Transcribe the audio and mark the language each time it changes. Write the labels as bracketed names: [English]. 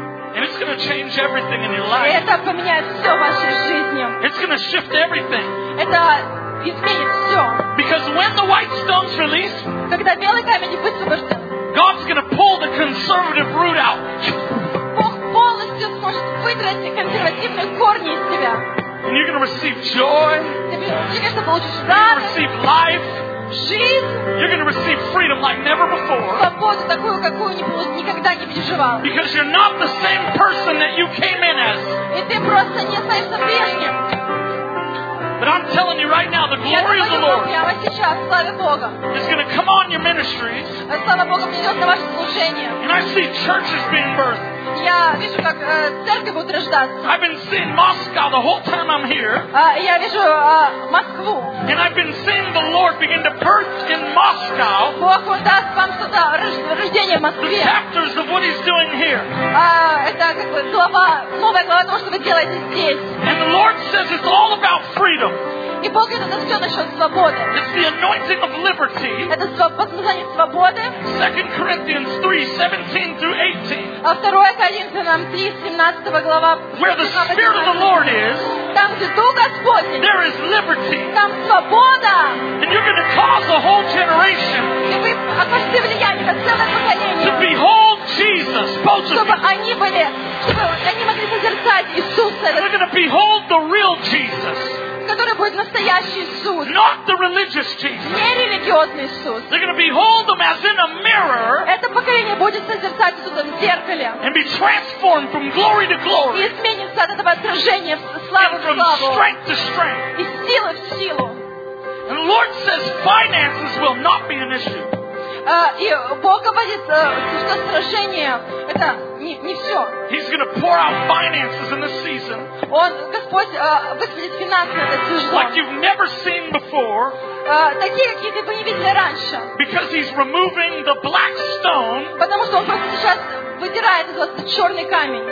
[English] And it's going to change everything in your life. [Russian] Это поменяет всё в вашей жизни. [English] It's going to shift everything. [Russian] Это изменит всё. [English] Because when the white stones release, [Russian] когда белый камень высвобождён, [English] God's going to pull the conservative root out. [Russian] Бог полностью сможет выдрать консервативные корни из тебя. [English] And you're going to receive joy. [Russian] Ты получишь радость. [English] You're going to receive life. [Russian] Жизнь. [English] You're going to receive freedom like never before. [Russian] Свободу такую, какую никогда не переживал. [English] Because you're not the same person that you came in as. [Russian] И ты просто не остаешься прежним. [English] But I'm telling you right now, the glory of the Lord is going to come on your ministries. [Russian] Слава Богу, придет на ваше служение. [English] And I see churches being birthed. [Russian] Я вижу, как церковь будет рождаться. [English] I've been seeing Moscow the whole time I'm here. [Russian] Я вижу Москву. [English] And I've been seeing the Lord begin to birth in Moscow. [Russian] Бог даст вам что-то рождение в Москве. [English] The chapters of what He's doing here. [Russian] Это как бы глава, новая глава того, что вы делаете здесь. [English] And the Lord says it's all about freedom. [Russian] И Бог говорит, это все насчет свободы. [English] It's the anointing of liberty. [Russian] Это благословение свободы. [English] 2 Corinthians 3:17-18. [Russian] А 2 Коринфянам 3:17 глава. [English] Where the Spirit of the Lord is. [Russian] Там, где Дух Господень. [English] There is liberty. [Russian] Там свобода. [English] And you're going to cause a whole generation. [Russian] И вы окажете влияние на целое поколение. [English] To behold Jesus, both of you. [Russian] Чтобы они могли созерцать Иисуса. [English] And they're going to behold the real Jesus. [Russian] Который будет настоящий Иисус. [English] Not the religious Jesus. [Russian] Не религиозный Иисус. [English] They're going to behold Him as in a mirror. [Russian] Это поколение будет созерцать Иисуса в зеркале. [English] And be transformed from glory to glory. [Russian] И изменится от этого отражения в славу [English] from [Russian] в славу. [English] Strength to strength. [Russian] И силы в силу. [English] And the Lord says finances will not be an issue. [Russian] И Бог говорит, что сражение это не все. [English] He's going to pour out finances in this season. [Russian] Он, Господь, высвободит финансы этот сезон. [English] Like you've never seen before. [Russian] Такие, какие ты бы не видели раньше. [English] Because He's removing the black stone. [Russian] Потому что Он просто сейчас выдирает этот черный камень.